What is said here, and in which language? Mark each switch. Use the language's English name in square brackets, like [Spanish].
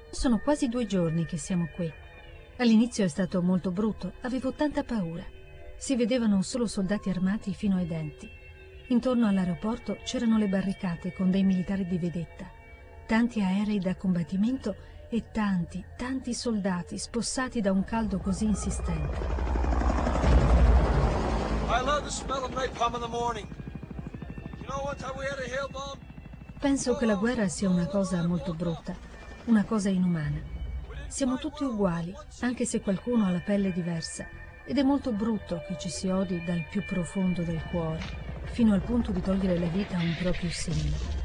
[Italian] Sono quasi 2 giorni che siamo qui. All'inizio è stato molto brutto, avevo tanta paura. Si vedevano solo soldati armati fino ai denti. Intorno all'aeroporto c'erano le barricate con dei militari di vedetta. Tanti aerei da combattimento e tanti, tanti soldati spossati da un caldo così insistente. [English] I love the smell of napalm in the morning. You know what time we had a hail bomb? [Italian] Penso che la guerra sia una cosa molto brutta, una cosa inumana. Siamo tutti uguali, anche se qualcuno ha la pelle diversa, ed è molto brutto che ci si odi dal più profondo del cuore, fino al punto di togliere la vita a un proprio simile.